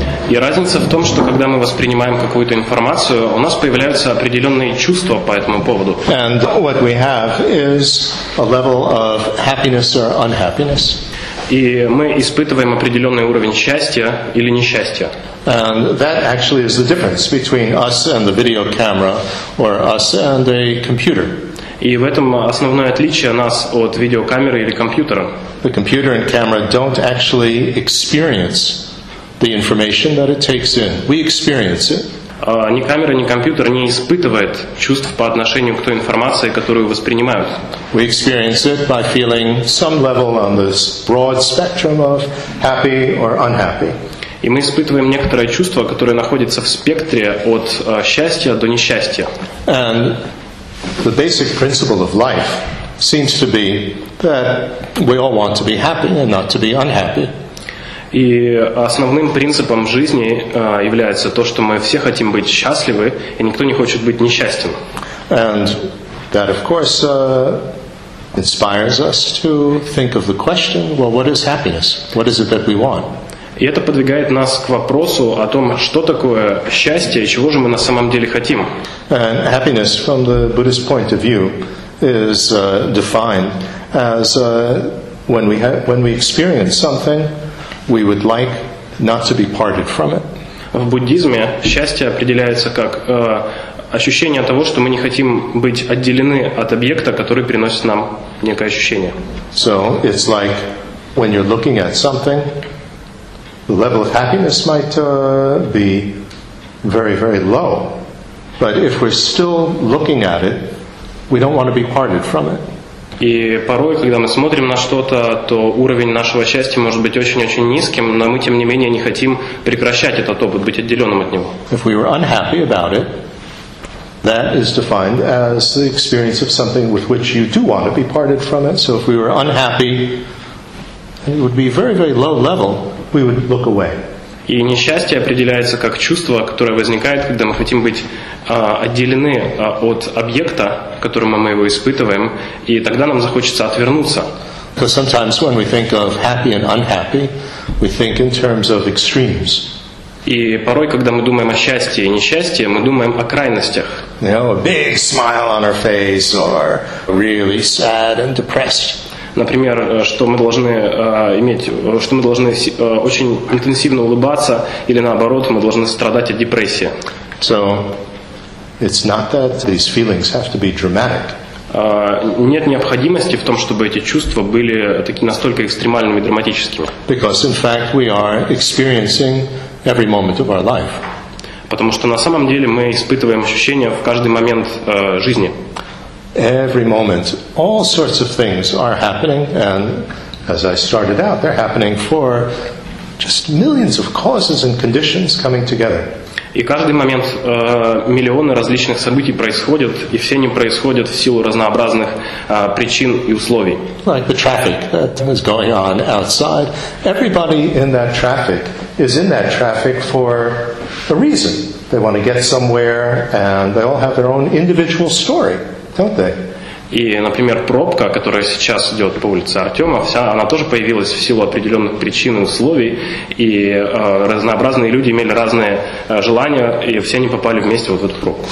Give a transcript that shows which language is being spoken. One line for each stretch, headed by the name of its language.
Russian: И разница в том, что когда мы воспринимаем какую-то информацию, у нас появляются определенные чувства по этому поводу.
English: And what we have is a level of happiness or unhappiness.
Russian: И мы испытываем определенный уровень счастья или несчастья.
English: And that actually is the difference between us and the video camera or us and a computer.
Russian: И в этом основное отличие нас от видеокамеры или компьютера.
English: The computer and camera don't actually experience the information that it takes in. We experience it.
Russian: Ни камера, ни компьютер не испытывает чувств по отношению к той информации, которую воспринимают.
English: We experience it by feeling some level on this broad spectrum of happy or unhappy.
Russian: И мы испытываем некоторое чувство, которое находится в спектре от счастья до несчастья.
English: And the basic principle of life seems to be that we all want to be happy and not to be unhappy.
Russian: И основным принципом жизни является то, что мы все хотим быть счастливы, и никто не хочет быть несчастным.
English: And that, of course, inspires us to think of the question, well, what is happiness? What is it that we want?
Russian: И это подвигает нас к вопросу о том, что такое счастье и чего же мы на самом деле хотим.
English: And happiness from the Buddhist point of view is defined as when we experience something, we would like not to be parted from it.
Russian: В буддизме счастье определяется как ощущение того, что мы не хотим быть отделены от объекта, который приносит нам некое ощущение.
English: So it's like when you're looking at something, the level of happiness might be very, very low. But if we're still looking at it, we don't want to be parted from it.
Russian: И порой, когда мы смотрим на что-то, то уровень нашего счастья может быть очень-очень низким, но мы, тем не менее, не хотим прекращать этот опыт, быть отделенным от него.
English: If we were unhappy about it, that is defined as the experience of something with which you do want to be parted from it. So if we were unhappy, it would be very, very low level, we would look away.
Russian: И несчастье определяется как чувство, которое возникает, когда мы хотим быть отделены от объекта, которому мы его испытываем, и тогда нам захочется отвернуться.
English: So sometimes when we think of happy and unhappy, we think in terms of extremes.
Russian: И порой, когда мы думаем о счастье и несчастье, мы думаем о крайностях.
English: You know, a big smile on our face or really sad and depressed.
Russian: Например, что мы должны иметь, что мы должны очень интенсивно улыбаться, или наоборот, мы должны страдать от депрессии.
English: So, it's not that these feelings have to be dramatic.
Russian: Нет необходимости в том, чтобы эти чувства были такие настолько экстремальными и драматическими.
English: Because in fact we are experiencing every moment of our life.
Russian: Потому что на самом деле мы испытываем ощущения в каждый момент жизни.
English: Every moment, all sorts of things are happening, and as I started out, they're happening for just millions of causes and conditions coming together.
Russian: И каждый момент миллионы различных событий происходят, и все они происходят в силу разнообразных причин и условий.
English: Like the traffic that is going on outside, everybody in that traffic is in that traffic for a reason. They want to get somewhere, and they all have their own individual story. Don't they?
Russian: И, например, пробка, которая сейчас идет по улице Артема, вся она тоже появилась в силу определенных причин и условий, и разнообразные люди имели разные желания, и все они попали вместе вот в эту пробку.